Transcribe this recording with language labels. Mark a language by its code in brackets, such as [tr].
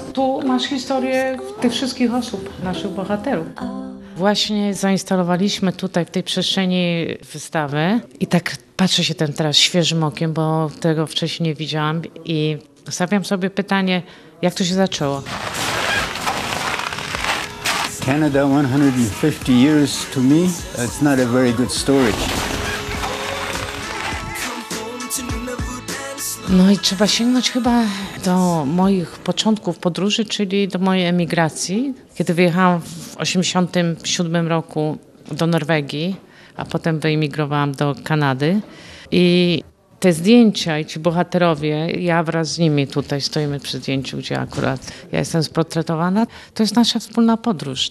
[pl] Tu masz historię tych wszystkich osób, naszych bohaterów. Właśnie zainstalowaliśmy tutaj w tej przestrzeni wystawę i tak patrzę się ten teraz świeżym okiem, bo tego wcześniej nie widziałam i stawiam sobie pytanie, jak to się zaczęło? [en] Canada 150 years to me, it's not a very good story. [pl] No i trzeba sięgnąć chyba do moich początków podróży, czyli do mojej emigracji, kiedy wyjechałam w 87 roku do Norwegii, a potem wyemigrowałam do Kanady. I te zdjęcia i ci bohaterowie, ja wraz z nimi tutaj stoimy przy zdjęciu, gdzie akurat ja jestem sportretowana, to jest nasza wspólna podróż.